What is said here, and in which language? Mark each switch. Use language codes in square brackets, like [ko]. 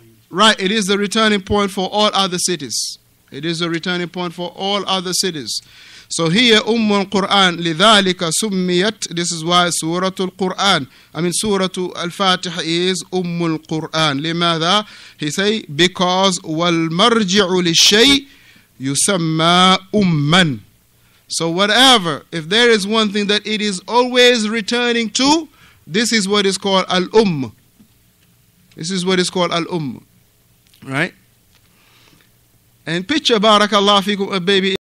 [en] Right, it is the returning point for all other cities. It is a returning point for all other cities. So here, Ummul Qur'an, [ar] لِذَٰلِكَ سُمِّيَتْ. [en] This is why Surah Al-Qur'an, I mean Surah Al-Fatiha is Ummul Qur'an. [ar] لِمَاذَا? [en] He say, because [ar] وَالْمَرْجِعُ لِلشَّيْءِ يُسَمَّى أُمَّنْ. [en] So whatever, if there is one thing that it is always returning to, this is what is called Al-Umm. This is what is called Al-Umm. Right? And picture, barakallahu fikum, a baby.